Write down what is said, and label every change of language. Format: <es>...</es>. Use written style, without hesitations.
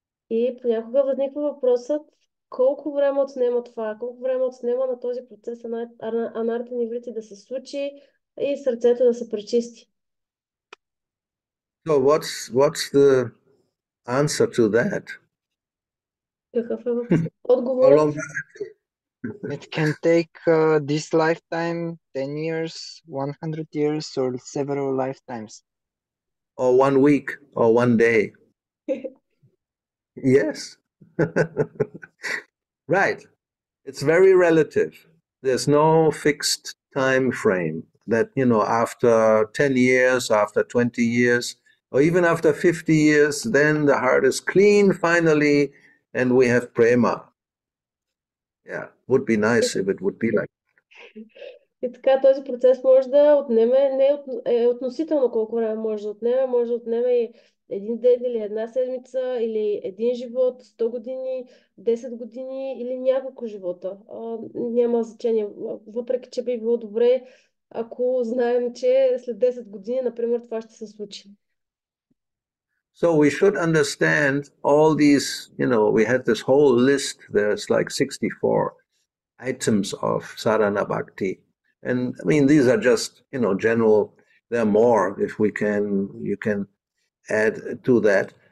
<bg>И понякога възниква въпросът колко време отнема това, колко време отнема на този процес анартха нивритти да се случи и сърцето да се пречисти.</bg> <en>So what's the answer to that? How long does it take? It can take this lifetime, 10 years, 100 years, or several lifetimes. Or 1 week, or 1 day. Yes. Right. It's very relative. There's no fixed time frame that, you know, after 10 years, after 20 years, or even after 50 years, then the heart is clean finally, and we have prema. Yeah, would be nice if it would be like that.</en> <bg>И така този процес може да отнеме, не е относително колко време може да отнеме, може да отнеме и един ден или една седмица, или един живот, 100 години, 10 години или няколко живота. Няма значение, въпреки че би било добре, ако знаем, че след 10 години, например, това ще се случи.</bg> <en>So we should understand all these, you know, we had this whole list, there's like 64 items of sarana bhakti. And I mean, these are just, you know, general, there are more if we can, you can add to that.</en>